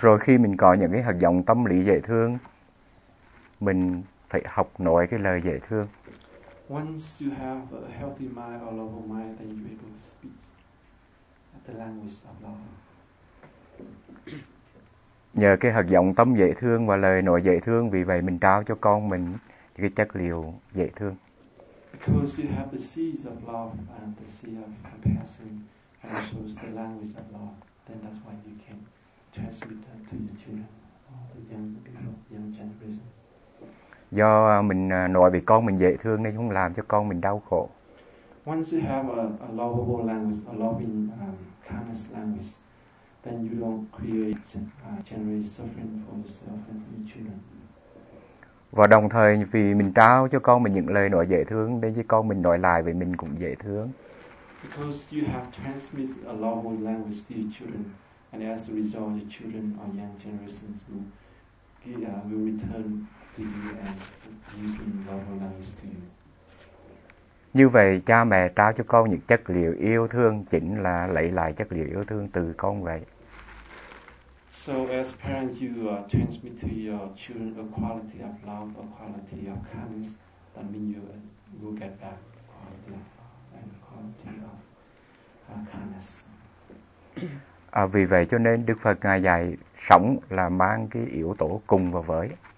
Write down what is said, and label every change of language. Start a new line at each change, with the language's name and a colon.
Vietnamese: Rồi khi mình có những cái hạt giống tâm lý dễ thương, mình phải học nổi cái lời dễ thương.
English: Once you have a healthy mind or loving mind, then you're able to speak the language of love.
Vietnamese: Nhờ cái hạt giống tâm dễ thương và lời nói dễ thương, vì vậy mình trao cho con mình cái chất liệu dễ thương.
English: Because you have the seeds of love and the seed of compassion and shows the language of love, then that's why you can transmit that to your children or the young generation.
Vietnamese: Do mình nói vì con mình dễ thương nên không làm cho con mình đau khổ.
English: Once you have a lovable language, a loving kindness language, then you don't create generate suffering for yourself and your children.
Vietnamese: Và đồng thời vì mình trao cho con mình những lời nói dễ thương nên với con mình nói lại vì mình cũng dễ thương.
English: Because you have transmitted a lovable language to your children, and as a result, your children or young generations will return to you and using lovable language to you.
Vietnamese: Như vậy, cha mẹ trao cho con những chất liệu yêu thương chính là lấy lại chất liệu yêu thương từ con vậy.
English: So as parents, you transmit to your children a quality of love, a quality of kindness, that means you will get back the quality of love and quality of kindness.
Vietnamese: Vì vậy cho nên Đức Phật Ngài dạy sống là mang cái yếu tố cùng và với.